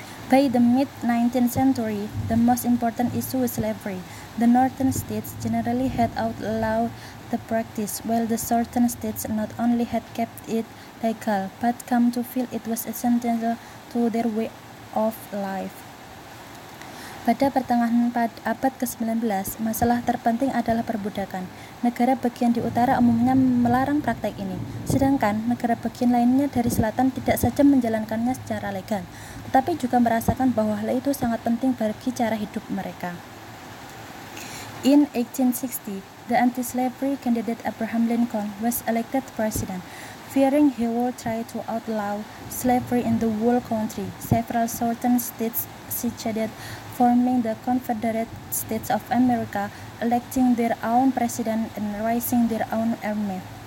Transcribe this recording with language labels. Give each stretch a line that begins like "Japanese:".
English: By the mid-19th century, the most important issue was slavery. The northern states generally had outlawed the practice, while the southern states not only had kept it legal, but come to feel it was essential to their way of life.
Indonesian: Pada pertengahan abad ke-19, masalah terpenting adalah perbudakan. Negara bagian di utara umumnya melarang praktek ini, sedangkan negara bagian lainnya dari selatan tidak saja menjalankannya secara legal, tetapi juga merasakan bahwa hal itu sangat penting bagi cara hidup mereka.
English: In 1860, the anti-slavery candidate Abraham Lincoln was elected president. Fearing he would try to outlaw slavery in the whole country, several southern states seceded, forming the Confederate States of America, electing their own president and raising their own army.